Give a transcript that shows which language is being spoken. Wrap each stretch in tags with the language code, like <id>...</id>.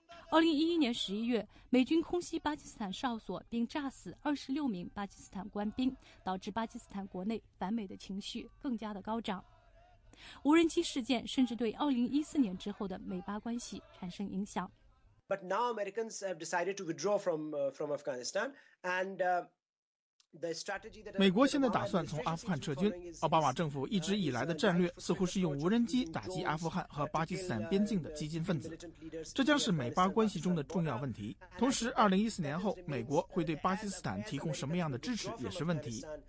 <zh>2011年11月，美军空袭巴基斯坦哨所，并炸死26名巴基斯坦官兵，导致巴基斯坦国内反美的情绪更加的高涨。无人机事件甚至对2014年之后的美巴关系产生影响。</zh> <en>But now Americans have decided to withdraw from Afghanistan, and the strategy that</en> <zh>美国现在打算从阿富汗撤军。奥巴马政府一直以来的战略似乎是用无人机打击阿富汗和巴基斯坦边境的激进分子，这将是美巴关系中的重要问题。同时，2014年后，美国会对巴基斯坦提供什么样的支持也是问题。</zh>